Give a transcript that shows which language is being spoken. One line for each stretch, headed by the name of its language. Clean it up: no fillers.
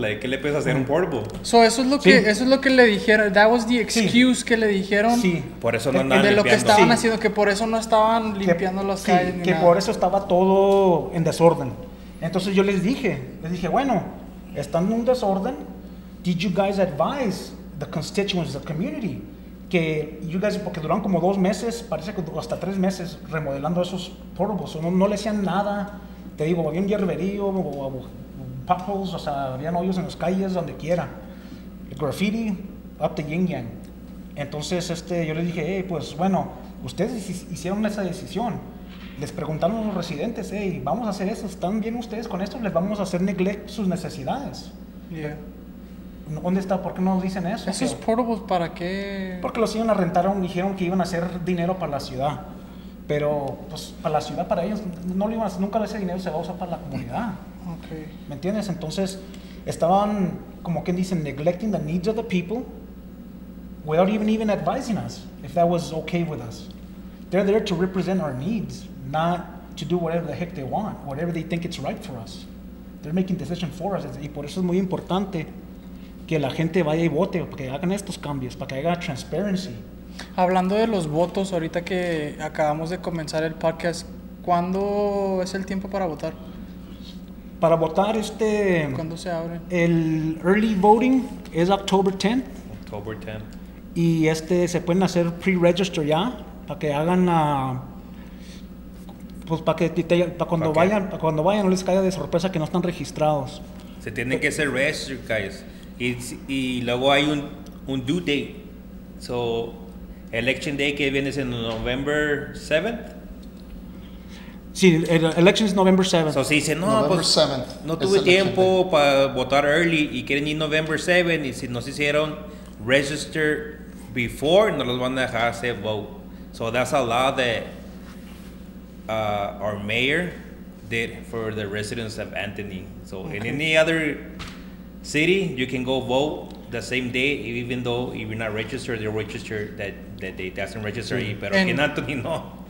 Spanish: Like, ¿qué le puedes hacer a un portable? So, eso es lo que le dijeron.
English: That was the excuse
Spanish: que le dijeron. Sí. Por eso no andaban limpiando. De lo que estaban haciendo, que por eso no estaban limpiando las calles. Sí, que por eso estaba todo en desorden. Entonces yo les dije, bueno, están en un desorden.
English: Did you guys advise the constituents, the community?
Spanish: Que
English: you guys,
Spanish: porque duraron como 2 meses, parece que hasta 3 meses, remodelando esos portables. No le hacían nada. Te digo, había un hierberío, potholes, o sea, había hoyos en las calles, donde quiera. El graffiti,
English: up the yin yang.
Spanish: Entonces, yo les dije, hey, pues bueno, ustedes hicieron esa decisión. Les preguntaron a los residentes, hey, vamos a hacer eso, ¿están bien ustedes con esto? Les vamos a hacer neglect sus necesidades.
English: Yeah.
Spanish: ¿Dónde está? ¿Por qué no nos dicen eso? ¿Esos portables para qué? Porque los iban a rentar, dijeron que iban a hacer dinero para la ciudad. Pero, pues, para la ciudad, para ellos, no lo iban a hacer. Nunca ese dinero se va a usar para la comunidad.
English: Okay.
Spanish: ¿Me entiendes? Entonces, estaban, como quien dice,
English: neglecting the needs of the people without even advising us if that was okay with us. They're there to represent our needs, not to do whatever the heck they want, whatever they think it's right for us. They're making decisions for us.
Spanish: Y por eso es muy importante que la gente vaya y vote, para que hagan estos cambios, para que haya transparency. Hablando de los votos, ahorita que acabamos de comenzar el podcast, ¿cuándo es el tiempo para votar? Para votar, ¿cuándo se abre? El early voting es October 10. October 10. Y se pueden hacer pre-register ya, para que hagan la... Pues para que cuando vayan no les caiga de sorpresa que no están registrados. Se tienen que hacer register, guys. Y luego hay un due date. So... Election Day, que viene, es en November 7th? Sí, election es November 7th. So, si dicen, no, November 7th, pues, no tuve tiempo para votar early y quieren ir November 7th, y si no se hicieron register before, no los van a dejar hacer vote.
English: So, that's a law that our mayor did for the residents of Anthony. So, okay. In any other city, you can go vote the same day, even though if you're not registered, they're registered that day. That doesn't register,
Spanish: pero que Anthony no.